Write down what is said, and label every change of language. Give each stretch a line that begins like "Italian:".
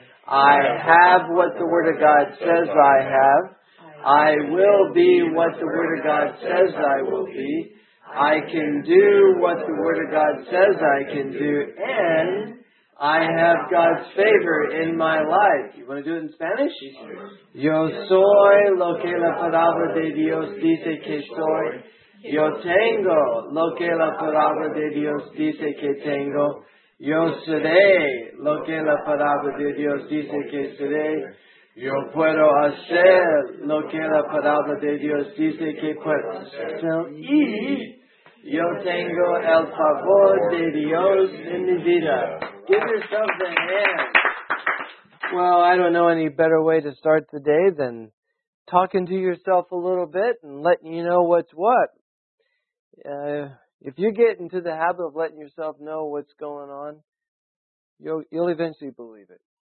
English: I have what the Word of God says I have. I will be what the Word of God says I will be. I can do what the Word of God says I can do, and I have God's favor in my life. You want to do it in Spanish?
Spanish: Yo soy lo que la palabra de Dios dice que soy. Yo tengo lo que la palabra de Dios dice que tengo. Yo seré lo que la palabra de Dios dice que seré. Yo puedo hacer lo que la palabra de Dios dice que puedo hacer. Y yo tengo el favor de Dios en mi vida.
English: Give yourself a hand. Well, I don't know any better way to start the day than talking to yourself a little bit and letting you know what's what. If you get into the habit of letting yourself know what's going on, you'll eventually believe it.